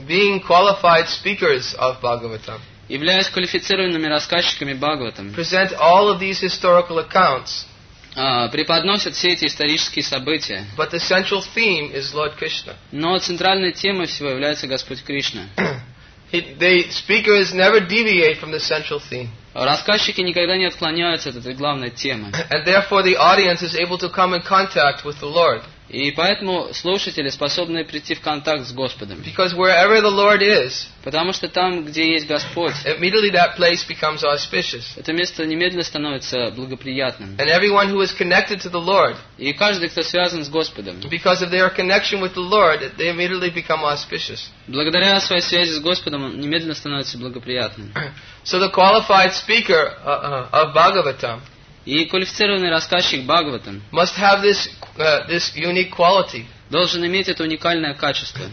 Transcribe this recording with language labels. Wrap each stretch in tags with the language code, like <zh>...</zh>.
<en>Being qualified speakers of Bhagavatam.</en> <ru>Являясь квалифицированными рассказчиками Бхагаватам.</ru> <en>Present all of these historical accounts.</en> <ru>Преподносят все эти исторические события.</ru> <en>But the central theme is Lord Krishna.</en> <ru>Но центральной темой всего является Господь Кришна.</ru> <en>The speaker is never deviate from the central theme.</en> <ru>Рассказчики никогда не отклоняются от этой главной темы.</ru> <en>And therefore the audience is able to come in contact with the Lord.</en> <ru>И поэтому слушатели способны прийти в контакт с Господом.</ru> <en>Because wherever the Lord is,</en> <ru>потому что там, где есть Господь,</ru> <en>immediately that place becomes auspicious.</en> <ru>Это место немедленно становится благоприятным.</ru> <en>And everyone who is connected to the Lord,</en> <ru>и каждый, кто связан с Господом,</ru> <en>because of their connection with the Lord, they immediately become auspicious.</en> <ru>Благодаря своей связи с Господом, он немедленно становится благоприятным.</ru> <en>So the qualified speaker of Bhagavatam,</en> <ru>и квалифицированный рассказчик Бхагаватам,</ru> <en>must have this this unique quality.</en> <ru>Должен иметь это уникальное качество.</ru>